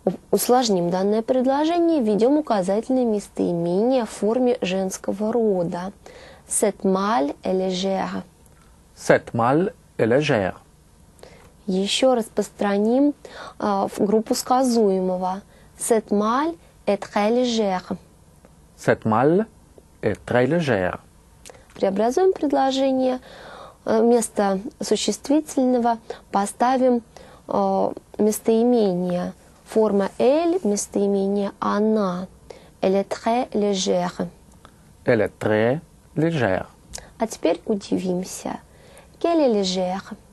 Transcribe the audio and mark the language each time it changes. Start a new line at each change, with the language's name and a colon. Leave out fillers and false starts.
Russian: Усложним данное предложение, введем указательное местоимение в форме женского рода.
French: Cette malle est légère. Cette malle est légère.
Russian: Еще распространим группу сказуемого.
French: Cette malle est très légère. Cette malle est très légère.
Russian: Преобразуем предложение. Вместо существительного поставим местоимение. Форма «elle» – местоимение «она».
French: Elle est très légère. Elle est très légère.
Russian: А теперь удивимся.
French: Quelle est légère?